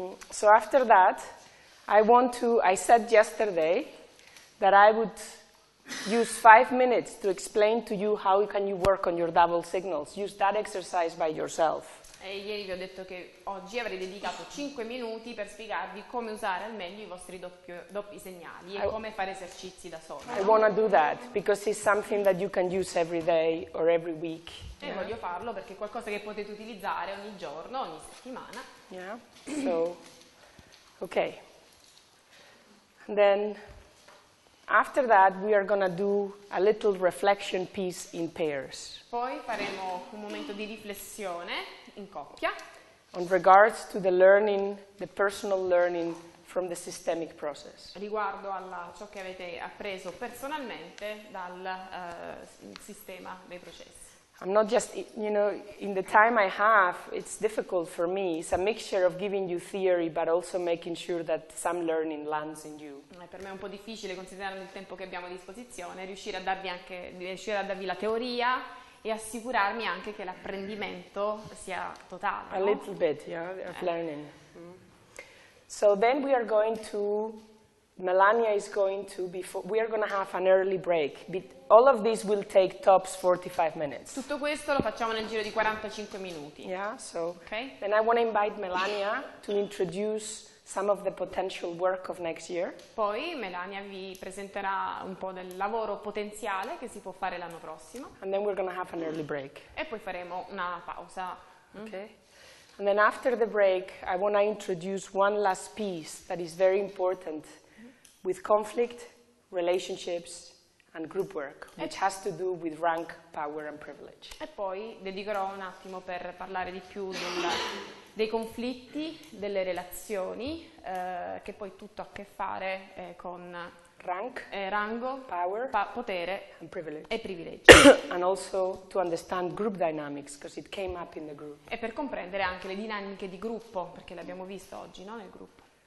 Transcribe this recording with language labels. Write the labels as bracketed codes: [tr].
[en] So after that, I said yesterday that I would use 5 minutes to explain to you how can you work on your double signals. Use that exercise by yourself. [it] E ieri vi ho detto che oggi avrei dedicato 5 minuti per spiegarvi come usare al meglio I vostri doppi segnali e come fare esercizi da soli. [en] I want to do that because it's something that you can use every day or every week. [it] E voglio farlo perché è qualcosa che potete utilizzare ogni giorno, ogni settimana. [en] Yeah. So, okay. And then after that we are going to do a little reflection piece in pairs. [it] Poi faremo un momento di riflessione in coppia. [en] In regards to the learning, the personal learning from the systemic process. [it] Riguardo alla ciò che avete appreso personalmente dal sistema dei processi. [en] I'm not just, you know, in the time I have, it's difficult for me. It's a mixture of giving you theory, but also making sure that some learning lands in you. [it] Per me è un po' difficile, considerando il tempo che abbiamo a disposizione, riuscire a darvi la teoria e assicurarmi anche che l'apprendimento sia totale. [en] A little bit, yeah, of learning. Mm-hmm. So then we are going to, Melania is going to, before, we are going to have an early break. All of this will take tops 45 minutes. [it] Tutto questo lo facciamo nel giro di 45 minuti. [en] Yeah, so. Okay. Then I want to invite Melania to introduce some of the potential work of next year. [it] Poi Melania vi presenterà un po' del lavoro potenziale che si può fare l'anno prossimo. [en] And then we're going to have an early break. [it] E poi faremo una pausa. [en] Okay. And then after the break, I want to introduce one last piece that is very important with conflict, relationships, and group work, which has to do with rank, power, and privilege. [it] E poi dedicherò un attimo per parlare di più dei conflitti, delle relazioni, che poi tutto ha a che fare con [en] rank, [it] rango, [en] power, [it] potere [en] and privilege. [it] E privilegi. [en] And also to understand group dynamics, because it came up in the group. [it] E per comprendere anche le dinamiche di gruppo, perché le abbiamo visto oggi, no, nel gruppo.